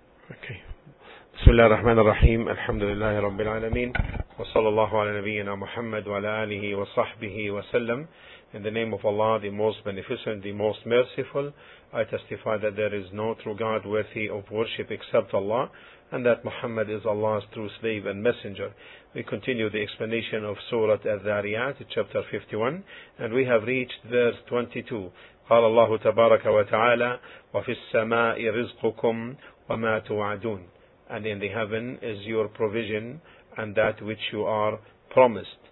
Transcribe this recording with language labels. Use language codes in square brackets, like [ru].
[ar] اوكي، بسم الله الرحمن الرحيم، الحمد لله رب العالمين، وصلى الله على نبينا محمد وعلى آله وصحبه وسلم. [en] In the name of Allah, the most beneficent, the most merciful, I testify that there is no true God worthy of worship except Allah, and that Muhammad is Allah's true slave and messenger. We continue the explanation of Surah Al-Dhariyat, chapter 51, and we have reached verse 22. [ar] قال الله تبارك وتعالى وفي السماء رزقكم وما توعدون. [en] And in the heaven is your provision and that which you are promised.